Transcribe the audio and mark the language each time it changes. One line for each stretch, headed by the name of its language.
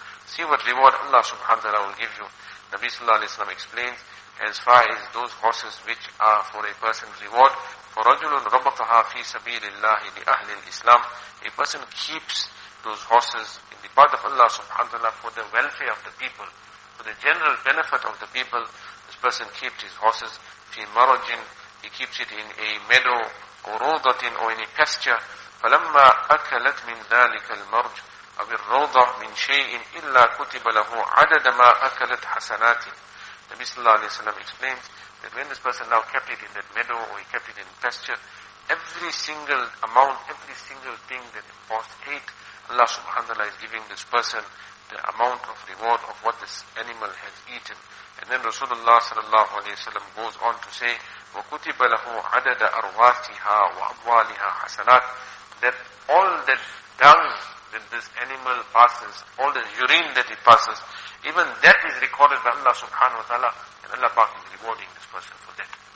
English: See what reward Allah subhanahu wa ta'ala will give you. Nabi sallallahu alayhi wa sallam explains, as far as those horses which are for a person's reward, for
Arabic: رَجُلٌ رَبَطَهَا فِي سَبِيلِ اللَّهِ لِأَهْلِ الْإِسْلَامِ.
English: A person keeps those horses in the path of Allah subhanahu wa ta'ala for the welfare of the people, for the general benefit of the people. This person keeps his horses
Arabic: فِي مَرَجٍ.
English: He keeps it in a meadow, or رَوْضَةٍ, or in a pasture.
Arabic: فلما أكلت من ذلك المرج أو الروضة من شيء إلا كتب له عدد ما أكلت حسنات. النبي صلى الله عليه وسلم
English: explains that when this person now kept it in that meadow or he kept it in pasture, every single amount, every single thing that the boss ate, Allah subhanahu wa ta'ala is giving this person the amount of reward of what this animal has eaten. And then Rasulullah sallallahu alayhi wa sallam goes on to say,
Arabic: وَكُتِبَ لَهُ عَدَدَ أَرْوَاتِهَا وَأَبْوَالِهَا حَسَنَاتٍ,
English: that all the dung that this animal passes, all the urine that it passes, even that is recorded by Allah subhanahu wa ta'ala, and Allah Pak is rewarding this person for that.